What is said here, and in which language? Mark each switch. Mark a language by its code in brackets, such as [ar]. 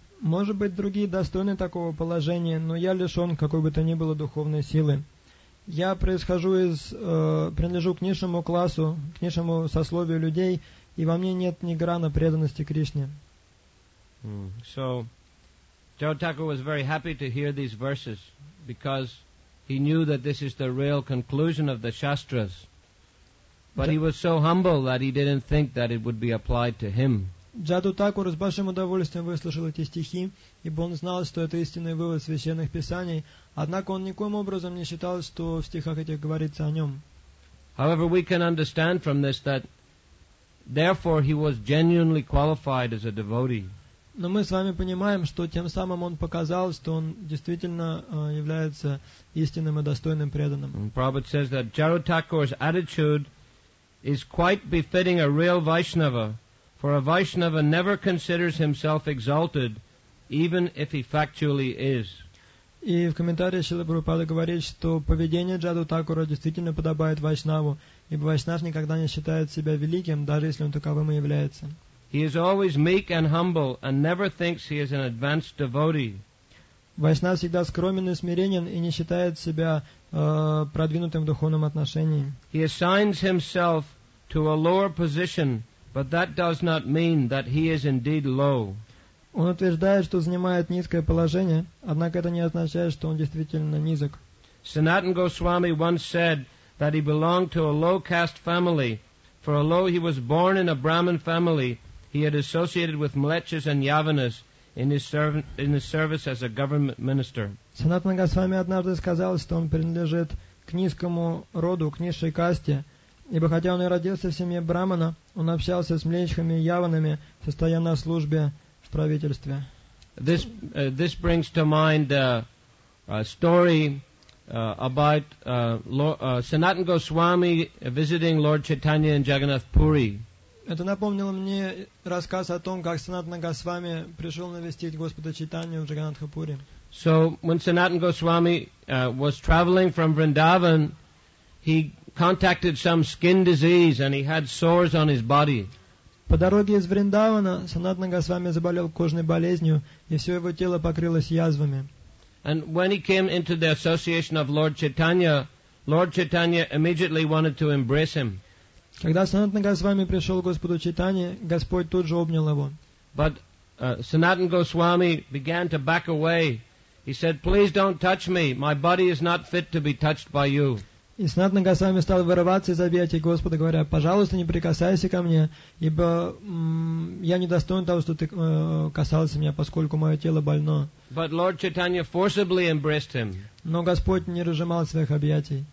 [ru] Может быть, другие достойны такого положения, но я лишен какой бы то ни было духовной силы. Я происхожу из, принадлежу к низшему классу, к низшему сословию людей, и во мне нет ни грана преданности Кришне. [en] So, Jarutaka was very happy to hear these verses, because he knew that this is the real conclusion of the Shastras. But he was so humble that he didn't think that it would be applied to him. [ru] Джадутакур с большим удовольствием выслушал эти стихи, ибо он знал, что это истинный вывод священных писаний, однако он никоим образом не считал, что в стихах этих говорится о нем. [en] However, we can understand from this that therefore he was genuinely qualified as a devotee. [ru] Но мы с вами понимаем, что тем самым он показал, что он действительно является истинным и достойным преданным. [en] Prabhupada says that Jarutakur's attitude is quite befitting a real Vaishnava. For a Vaishnava never considers himself exalted, even if he factually is. [ru] И в комментарии Шрила Прабхупада говорит, что поведение Джадутакура действительно подобает Вайшнаву, ибо Вайшнав никогда не считает себя великим, даже если он таковым и является. [en] He is always meek and humble and never thinks he is an advanced devotee. [ru] Вайшнав всегда скромен и смиренен и не считает себя продвинутым в духовном отношении. [en] He assigns himself to a lower position. But that does not mean that he is indeed low. [ru] Он утверждает, что занимает низкое положение, однако это не означает, что он действительно низок. [en] Sanatan Goswami once said that he belonged to a low caste family, for although he was born in a Brahmin family, he had associated with mlechas and yavanas in his service as a government minister. [ru] Sanatan Goswami однажды сказал, что он принадлежит к низкому роду, к низшей касте. Ибо хотя он и родился в семье Брахмана, он общался с млечхами и яванами, состоя на службе в правительстве. [en] This brings to mind a story about Sanatan Goswami visiting Lord Chaitanya in Jagannath Puri. [ru] Это напомнило мне рассказ о том, как Санатана Госвами пришел навестить Господа Чайтанью в Джаганатхапуре. [en] So when Sanatan Goswami was traveling from Vrindavan, he contacted some skin disease and he had sores on his body. [ru] По дороге из Вриндавана Санатана Госвами заболел кожной болезнью, и все его тело покрылось язвами. [en] And when he came into the association of Lord Chaitanya immediately wanted to embrace him. [ru] Когда Санатана Госвами пришел к Господу Чайтанье, Господь тут же обнял его. [en] But Sanatana Goswami began to back away. He said, "Please don't touch me. My body is not fit to be touched by you." [ru] И Санатана Госвами стал вырываться из объятий Господа, говоря, «Пожалуйста, не прикасайся ко мне, ибо я не достоин того, что ты касался меня, поскольку мое тело больно». [en] But Lord Chaitanya forcibly embraced him. [ru] Но Господь не разжимал своих объятий.